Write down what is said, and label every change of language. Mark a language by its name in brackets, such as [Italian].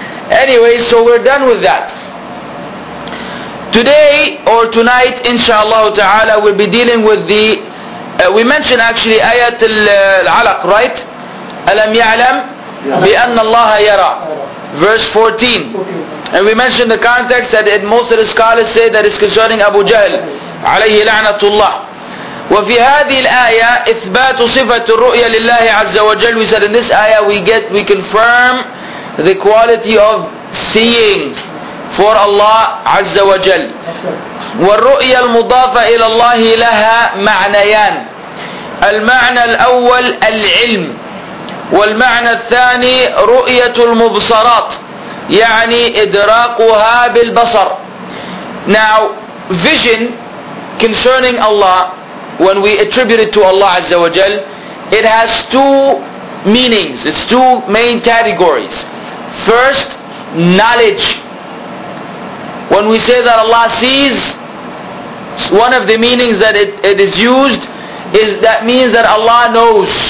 [English] Anyway, so we're done with that. Today or tonight, inshallah ta'ala, we'll be dealing with the we mentioned actually ayat al-alaq, right? [Arabic] Alam ya'lam bi-anna allaha yara, [English] verse 14. And we mentioned the context that it, most of the scholars say that it's concerning Abu Jahl alayhi la'natullah. [Arabic] وفي هذه الآية إثبات صفة الرؤية لله عز وجل. [English] We said in this ayah we confirm the quality of seeing for Allah عز وجل. [Arabic] والرؤية المضافة إلى الله لها معنيان. المعنى الأول العلم، والمعنى الثاني رؤية المبصرات، يعني إدراكها بالبصر. [English] Now vision concerning Allah, when we attribute it to Allah Azza wa Jal, it has two meanings. It's two main categories. First, knowledge. When we say that Allah sees, one of the meanings that it is used is that means that Allah knows.